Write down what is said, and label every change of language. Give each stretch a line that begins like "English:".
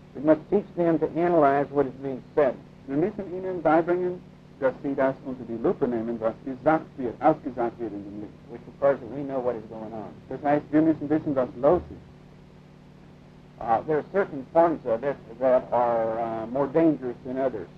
English: We must teach them to analyze what is being said.
German: Wir müssen ihnen beibringen, dass sie das unter die Lupe nehmen, was gesagt wird, ausgesagt wird in dem Lied.
English: Which requires that we know what is going on.
German: Das heißt, wir müssen wissen, was los ist.
English: There are certain forms of it that are more dangerous than others.